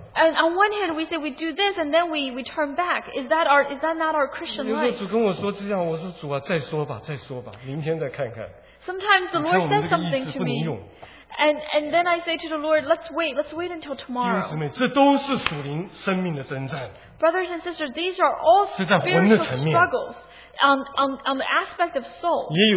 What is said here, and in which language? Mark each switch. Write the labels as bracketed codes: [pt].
[en] And on one hand we say we do this and then we turn back. Is that not our Christian life? [zh] 有时候主跟我说这样,我说主啊,再说吧,再说吧,明天再看看。 [en] Sometimes the Lord says something to me. And then I say to the Lord, let's wait until tomorrow. [zh] 弟兄姊妹, 这都是属灵生命的征战, [en] brothers and sisters, these are all spiritual struggles on the aspect of soul.